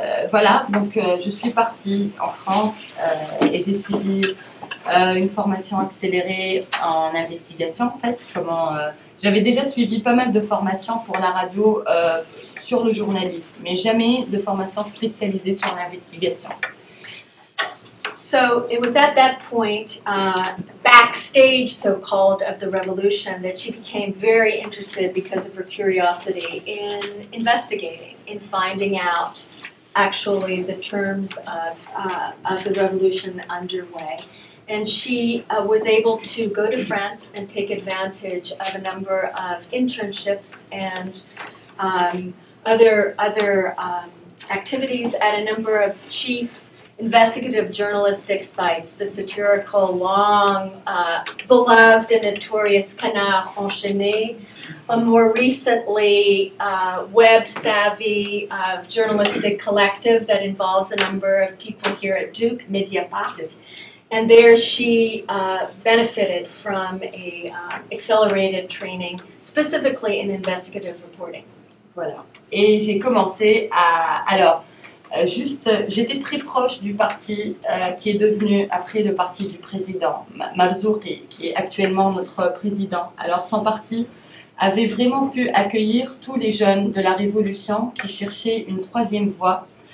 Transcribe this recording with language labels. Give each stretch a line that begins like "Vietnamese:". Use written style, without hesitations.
French: Voilà, donc je suis partie en France et j'ai suivi une formation accélérée en investigation, en fait. J'avais déjà suivi pas mal de formations pour la radio sur le journalisme, mais jamais de formation spécialisée sur l'investigation.
English: So it was at that point, backstage so-called of the revolution, that she became very interested because of her curiosity in investigating, in finding out actually the terms of the revolution underway. And she was able to go to France and take advantage of a number of internships and other activities at a number of chief investigative journalistic sites, the satirical, long, beloved and notorious Canard Enchaîné, a more recently web-savvy journalistic collective that involves a number of people here at Duke, Mediapart. And there she benefited from a accelerated training, specifically in investigative reporting.
French: Voilà. Et j'ai commencé à... Alors, juste, j'étais très proche du parti qui est devenu, après le parti du président, Marzouki, qui est actuellement notre président. Alors, son parti avait vraiment pu accueillir tous les jeunes de la Révolution qui cherchaient une troisième voie.